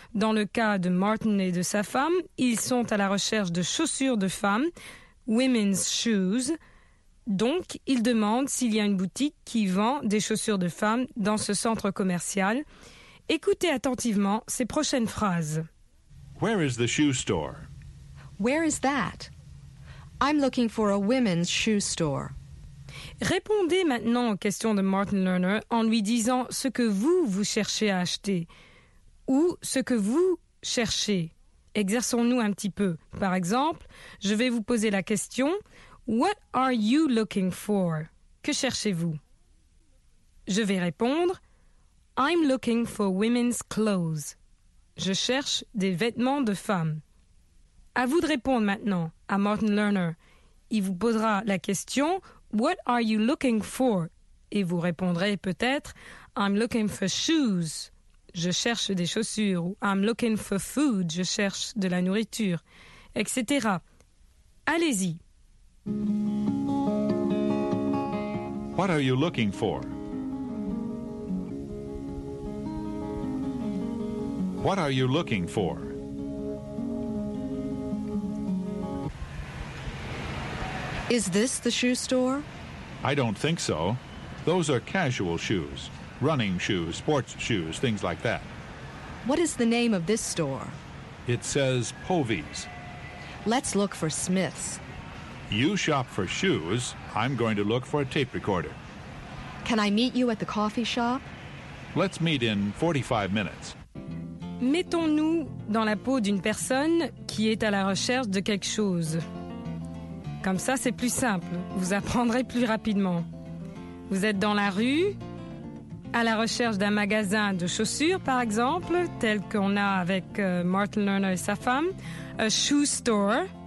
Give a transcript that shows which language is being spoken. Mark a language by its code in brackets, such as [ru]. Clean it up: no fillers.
[fr] Dans le cas de Martin et de sa femme, ils sont à la recherche de chaussures de femmes, [en] women's shoes. [fr] Donc, il demande s'il y a une boutique qui vend des chaussures de femmes dans ce centre commercial. Écoutez attentivement ces prochaines phrases. [en] Where is the shoe store? Where is that? I'm looking for a women's shoe store. [fr] Répondez maintenant aux questions de Martin Lerner en lui disant ce que vous, vous cherchez à acheter ou ce que vous cherchez. Exerçons-nous un petit peu. Par exemple, je vais vous poser la question... [en] What are you looking for? [fr] Que cherchez-vous? Je vais répondre. [en] I'm looking for women's clothes. [fr] Je cherche des vêtements de femmes. À vous de répondre maintenant à Martin Lerner. Il vous posera la question. [en] What are you looking for? [fr] Et vous répondrez peut-être. [en] I'm looking for shoes. [fr] Je cherche des chaussures. Ou [en] I'm looking for food. [fr] Je cherche de la nourriture. Etc. Allez-y. [en] What are you looking for? What are you looking for? Is this the shoe store? I don't think so. Those are casual shoes, running shoes, sports shoes, things like that. What is the name of this store? It says Povey's. Let's look for Smith's. You shop for shoes. I'm going to look for a tape recorder. Can I meet you at the coffee shop? Let's meet in 45 minutes. [fr] Mettons-nous dans la peau d'une personne qui est à la recherche de quelque chose. Comme ça, c'est plus simple. Vous apprendrez plus rapidement. Vous êtes dans la rue, à la recherche d'un magasin de chaussures, par exemple, tel qu'on a avec Martin Lerner et sa femme, [en] a shoe store.